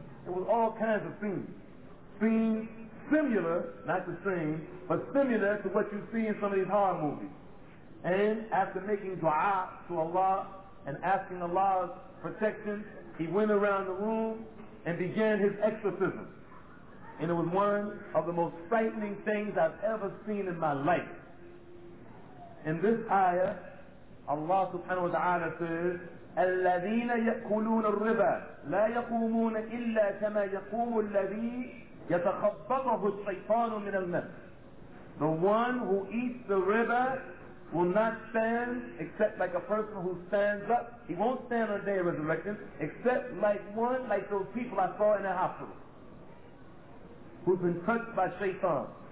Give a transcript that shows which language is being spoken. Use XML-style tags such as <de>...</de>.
<en>It was all kinds of scenes. Scenes similar, not the same, but similar to what you see in some of these horror movies. And after making dua to Allah and asking Allah's protection, he went around the room and began his exorcism. And it was one of the most frightening things I've ever seen in my life. In this ayah, Allah subhanahu wa ta'ala says,</en> <ar>الَّذِينَ يَأْكُلُونَ الرِّبَى لَا يَقُومُونَ إِلَّا كَمَا يَقُومُ الَّذِي يَتَخَبَّطَهُ الشَّيْطَانُ مِنَ الْمَسِ.</ar> <en>The one who eats the riba will not stand except like a person who stands up. He won't stand on the day of resurrection except like one, like those people I saw in the hospital who's been touched by shaitan.</en>